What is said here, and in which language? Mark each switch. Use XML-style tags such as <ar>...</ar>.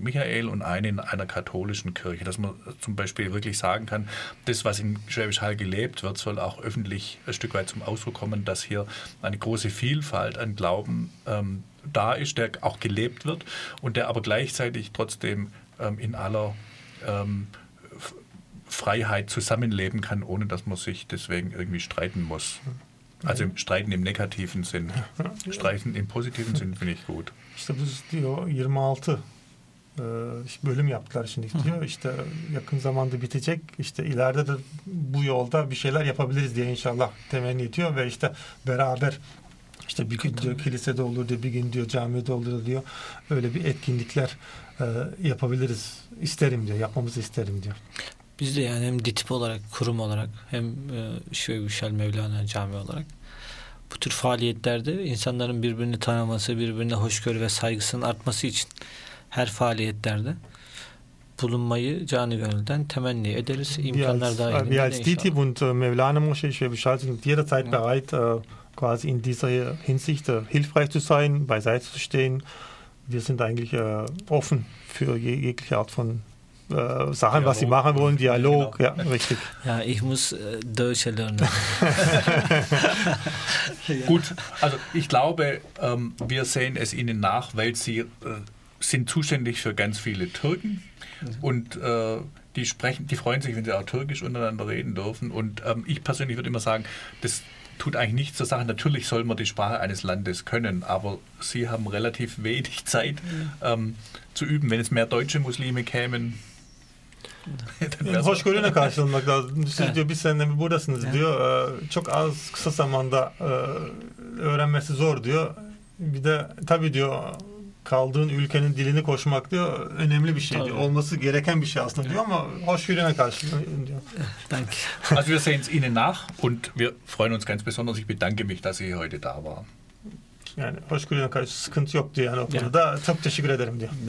<de>Michael und eine in einer katholischen Kirche. Dass man zum Beispiel wirklich sagen kann, das, was in Schwäbisch Hall gelebt wird, soll auch öffentlich ein Stück weit zum Ausdruck kommen, dass hier eine große Vielfalt an Glauben da ist, der auch gelebt wird und der aber gleichzeitig trotzdem in aller Freiheit zusammenleben kann, ohne dass man sich deswegen irgendwie streiten muss. Also streiten im negativen Sinn. Streiten im positiven Sinn finde ich gut. Ich glaube, das ist die 26.</de> <tr>bölüm yaptılar şimdi diyor. İşte yakın zamanda bitecek. İşte ileride de bu yolda bir şeyler yapabiliriz diye inşallah temenni ediyor ve işte beraber işte bir gün diyor kilisede olur diyor, bir gün diyor camide olur diyor. Öyle bir etkinlikler yapabiliriz. İsterim diyor. Yapmamızı isterim diyor. Biz de yani hem DİTİB olarak, kurum olarak, hem Şevşel Mevlana Cami olarak bu tür faaliyetlerde insanların birbirini tanıması, birbirine hoşgörü ve saygısının artması için her faaliyetlerde bulunmayı canı gönülden temenni ederiz. İmkanlar da elinde.</tr> <de>Ja, DİTİB und Mevlana muss ich für schalten jederzeit bereit quasi in dieser Hinsicht hilfreich zu sein, beiseite zu stehen. Wir sind eigentlich offen für jegliche Art von Sachen, was sie machen wollen, Dialog, genau. Ja, richtig. Ja, ich muss Deutsch lernen. Ja. Gut, also ich glaube, wir sehen es Ihnen nach, weil Sie sind zuständig für ganz viele Türken und die sprechen, die freuen sich, wenn sie auch Türkisch untereinander reden dürfen. Und ich persönlich würde immer sagen, das tut eigentlich nichts zur Sache. Natürlich soll man die Sprache eines Landes können, aber Sie haben relativ wenig Zeit zu üben. Wenn es mehr deutsche Muslime kämen,</de> <tr>hoşgörüne karşılanmak lazım. Siz diyor bir sene buradasınız diyor. Çok az kısa zamanda öğrenmesi zor diyor. Bir de tabii diyor kaldığın ülkenin dilini koşmak diyor önemli bir şey diyor. Olması gereken bir şey aslında diyor ama hoşgörüne karşılanmak diyor.</tr> <de>Danke. Also wir sehen es Ihnen nach und wir freuen uns ganz besonders. Ich bedanke mich, dass Sie heute da waren.</de> <tr>Yani hoşgörüne karşı sıkıntı yok diyor. Yani o konuda çok teşekkür ederim diyor.</tr>